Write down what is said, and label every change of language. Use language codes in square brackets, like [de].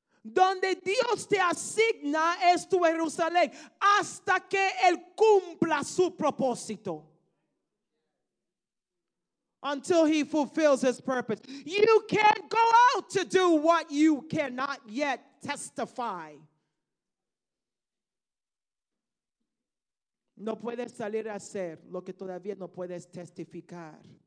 [es] Donde Dios te asigna es tu Jerusalén hasta que Él cumpla su propósito. [en] Until He fulfills His purpose. You can't go out to do what you cannot yet testify. [es] No puedes salir a hacer lo que todavía no puedes testificar.